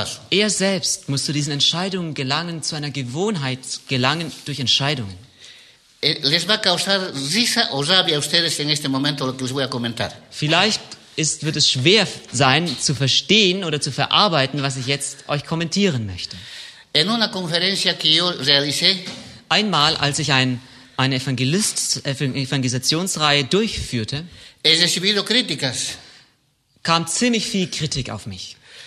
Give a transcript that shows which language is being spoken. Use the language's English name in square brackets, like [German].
[German] Er selbst muss zu diesen Entscheidungen gelangen, zu einer Gewohnheit gelangen durch Entscheidungen. [Spanish] Les va a causar risa o rabia a ustedes en este momento lo que les voy a comentar. [German] Vielleicht wird es schwer sein, zu verstehen oder zu verarbeiten, was ich jetzt euch kommentieren möchte. [Spanish] En una conferencia que yo realicé, [German] einmal, als ich eine Evangelisationsreihe durchführte, [Spanish] he recibido críticas. [German] Kam ziemlich viel Kritik auf mich.